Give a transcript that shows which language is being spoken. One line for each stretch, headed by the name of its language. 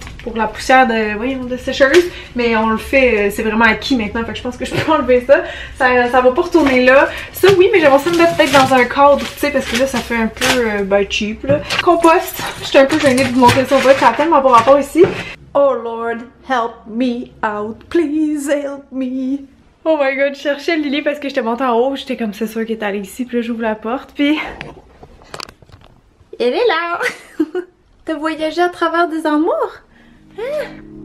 French: Pour la poussière de, voyons, de sécheuse. Mais on le fait, c'est vraiment acquis maintenant. Fait que je pense que je peux enlever ça. Ça va pas retourner là. Ça, oui, mais j'aimerais ça me mettre peut-être dans un cadre, tu sais, parce que là, ça fait un peu cheap, là. Compost. J'étais un peu gênée de vous montrer ça. Ça a tellement pas rapport ici.
English: Oh Lord, help me out, please help me. Oh my god,
French: je cherchais Lily parce que j'étais montée en haut, j'étais comme c'est sûr qu'elle est allée ici, puis là j'ouvre la porte, puis... Elle est là! T'as voyagé à travers des armoires? Hein?